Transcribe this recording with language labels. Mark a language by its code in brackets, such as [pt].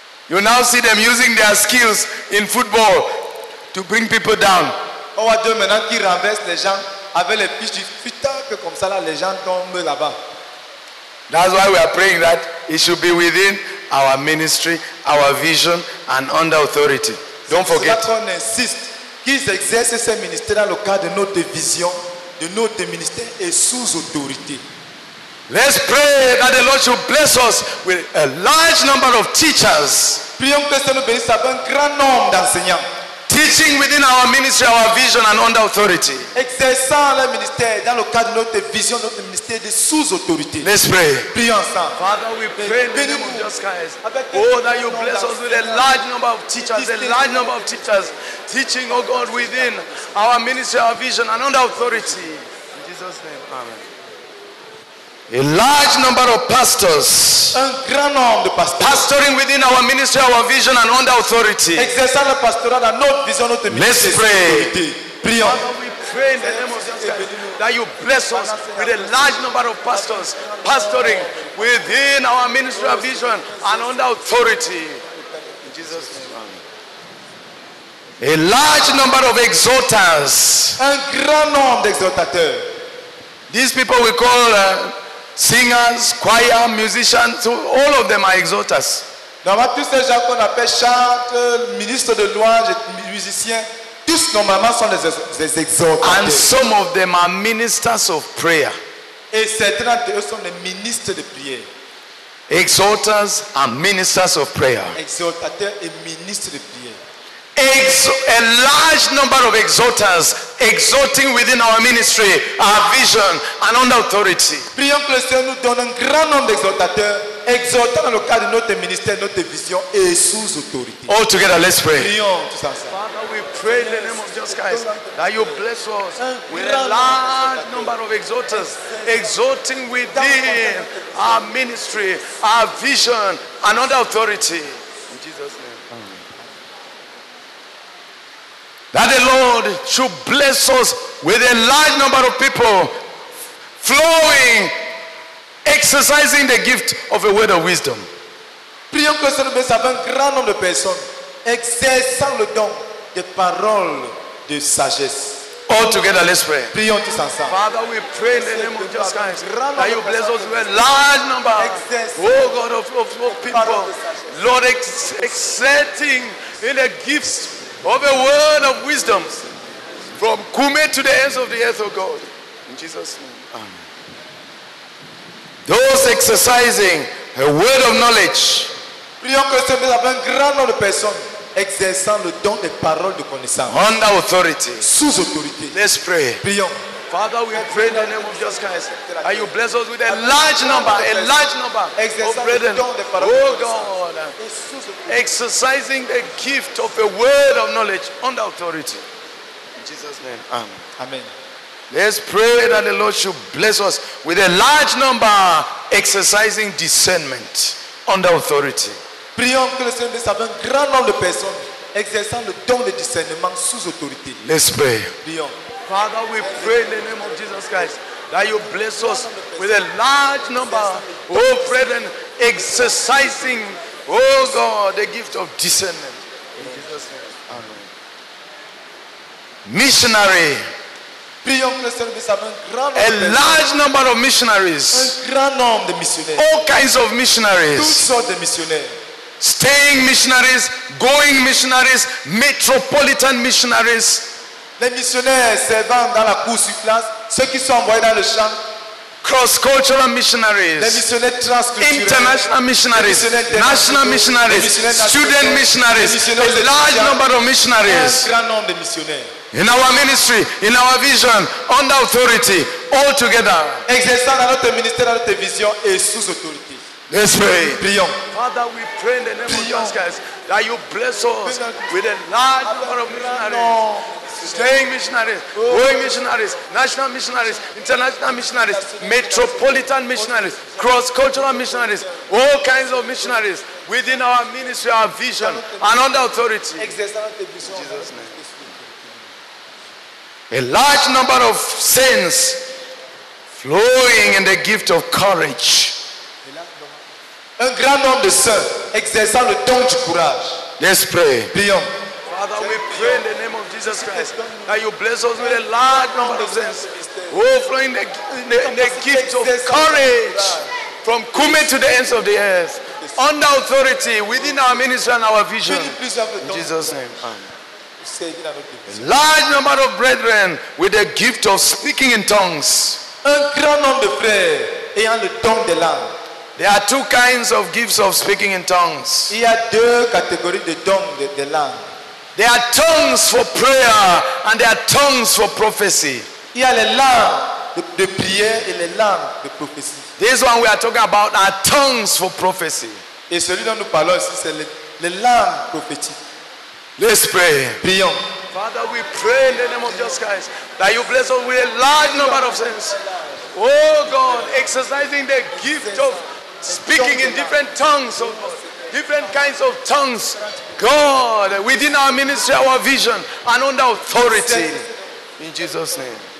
[en] You now see them using their skills in football to bring people down. [fr] On voit deux maintenant qui renversent les gens avec les fiches du futur que comme ça là les gens tombent là-bas. [en] That's why we are praying that it should be within our ministry, our vision, and under authority. Don't forget. [fr] C'est pour ça qu'on insiste qu'ils exercent ces ministères dans le cadre de notre vision, de notre ministère et sous autorité. [en] Let's pray that the Lord should bless us with a large number of teachers. [fr] Prions que Dieu nous bénisse avec un grand nombre d'enseignants. [en] Teaching within our ministry, our vision, and under authority. [fr] Exerçant le ministère dans le cadre de notre vision, notre ministère de sous autorité. [en] Let's pray. [fr] Prions ensemble. [en] Father, we pray in the name of Jesus Christ. Oh, that you bless us with a large number of teachers, a large number of teachers teaching, oh God, within our ministry, our vision, and under authority. In Jesus' name, amen. A large number of pastors, [fr] un grand nombre de pastors [en] pastoring within our ministry, our vision, and under authority. [fr] Exercer le pastorat dans notre vision, notre ministry. [en] Let's pray. [fr] Prions. [en] Pray in the name of Jesus Christ that you bless us with a large number of pastors pastoring within our ministry, our vision, and under authority. In Jesus' name. Amen. A large number of exhorters, [fr] un grand nombre d'exhortateurs. [en] These people we call singers, choir, musicians, all of them are exhorters. [fr] Normalement, tous ces gens qu'on appelle chanteurs, ministres de louange, musiciens, tous normalement sont des exhorteurs. [en] And some of them are ministers of prayer. [fr] Et certains d'eux sont des ministres de prière. [en] Exhorters and ministers of prayer. [fr] Exhortateurs et ministres de prière. [en] A large number of exhorters exhorting within our ministry, our vision, and under authority. [fr] Prions que le Seigneur nous donne un grand nombre d'exhortateurs exhortant dans le cadre de notre ministère, notre vision et sous autorité. [en] All together, let's pray. [fr] Prions tous ensemble. [en] Father, we pray in the name of Jesus Christ that you bless us with a large number of exhorters exhorting within our ministry, our vision, and under authority. That the Lord should bless us with a large number of people flowing, exercising the gift of a word of wisdom. [fr] Prions que le Seigneur bénisse avec un grand nombre de personnes exerçant le don des paroles de sagesse. [en] All together, let's pray. [fr] Prions tous ensemble. [en] Father, we pray in the name of Jesus Christ that you bless us with a large number, oh God, of people, Lord, exerting in the gifts of a word of wisdom from Kume to the ends of the earth, oh God. In Jesus' name. Amen. Those exercising a word of knowledge. [fr] Prions que ce soit un grand nombre de personnes exerçant le don des paroles de connaissance. [en] Under authority. [fr] Sous autorité. [en] Let's pray. [fr] Prions. [en] Father, we pray in the name of Jesus Christ. And you bless us with a large number of brethren. Oh God, exercising the gift of a word of knowledge under authority. In Jesus' name. Amen. Amen. Let's pray that the Lord should bless us with a large number exercising discernment under authority. [fr] Prions que le Seigneur bénisse avec un grand nombre de personnes exerçant le don de discernement sous autorité. [en] Let's pray. [fr] Prions. [en] Father, we pray in the name of Jesus Christ that you bless us with a large number, oh brethren, exercising, oh God, the gift of discernment. In Jesus' name. Amen. Missionary. A large number of missionaries. All kinds of missionaries. [fr] Toutes sortes de missionnaires. [en] Staying missionaries, going missionaries, metropolitan missionaries. [fr] Les missionnaires servant dans la cour sur place, ceux qui sont envoyés dans le champ. [en] Cross-cultural missionaries. [fr] Les missionnaires transculturels. [en] International missionaries. National missionaries. Student missionaries. A large number of missionaries. [fr] Un grand nombre de missionnaires. [en] In our ministry, in our vision, under authority, all together. [fr] Exerçant dans notre ministère, dans notre vision et sous autorité. [en] Let's pray. [fr] Prions. [en] Father, we pray in the name of Jesus Christ that you bless us with a large number of missionaries, staying missionaries, going missionaries, national missionaries, international missionaries, metropolitan missionaries, cross-cultural missionaries, all kinds of missionaries within our ministry, our vision, and under authority. In Jesus' name. A large number of saints flowing in the gift of courage. [fr] Un grand nombre de saints exerçant le don du courage. [en] Let's pray. [fr] Prions. [en] Father, Father, we pray in the name of Jesus Christ that you bless us with a large number of saints overflowing the gift of courage from Kume to the ends of the earth under authority within our ministry and our vision. In Jesus' name. Amen. A large number of brethren with the gift of speaking in tongues. [fr] Un grand nombre de frères ayant le don de langue. [en] There are two kinds of gifts of speaking in tongues. [fr] Il y a deux catégories de dons de langue. [en] There are tongues for prayer and there are tongues for prophecy. [fr] Il y a les langues de prière et les langues de prophétie. [en] This one we are talking about are tongues for prophecy. [fr] Et celui dont nous parlons ici, c'est les langues prophétiques. [en] Let's pray. [fr] Prions. [en] Father, we pray in the name of Jesus Christ that you bless us with a large number of saints. Oh God, exercising the gift of speaking in different tongues, oh God, different kinds of tongues, God, within our ministry, our vision, and under authority. In Jesus' name.